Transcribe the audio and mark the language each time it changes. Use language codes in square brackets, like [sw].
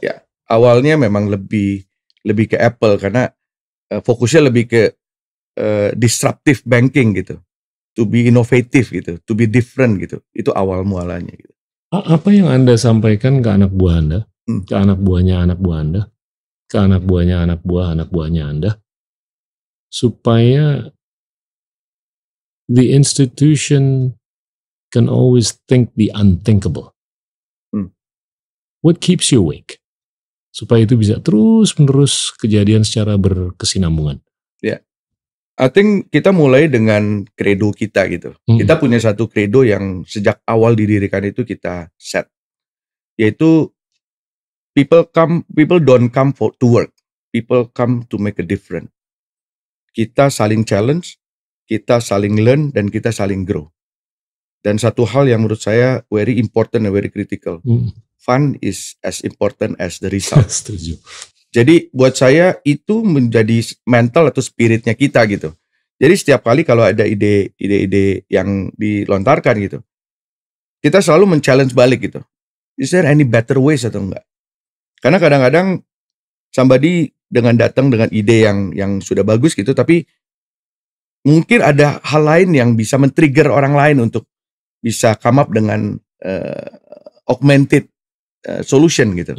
[id] Ya, awalnya memang lebih ke Apple karena fokusnya lebih ke disruptive banking gitu. [en] To be innovative [id] gitu, [en] to be different [id] gitu. Itu awal mualanya gitu. Apa yang Anda sampaikan ke anak buah Anda? Ke anak buahnya anak buah Anda? Ke anak buahnya anak buahnya Anda? [en] Supaya the institution can always think the unthinkable. What keeps you awake? [id] Supaya itu bisa terus menerus kejadian secara berkesinambungan. [en] Yeah. I think [id] kita mulai dengan credo kita gitu. Mm-hmm. Kita punya satu credo yang sejak awal didirikan itu kita set. [en] Yaitu people don't come to work. People come to make a difference. [id] Kita saling challenge, kita saling learn, dan kita saling grow. Dan satu hal yang menurut saya [en] very important and very critical. Fun is as important as the result. [id] Setuju. Jadi buat saya itu menjadi mental atau spiritnya kita gitu. Jadi setiap kali kalau ada ide-ide yang dilontarkan gitu, kita selalu men-challenge balik gitu. [en] Is there any better ways [id] atau enggak? Karena kadang-kadang somebody dengan datang dengan ide yang sudah bagus gitu, tapi mungkin ada hal lain yang bisa men-trigger orang lain untuk bisa [en] come up [id] dengan [en] augmented solution [id] gitu.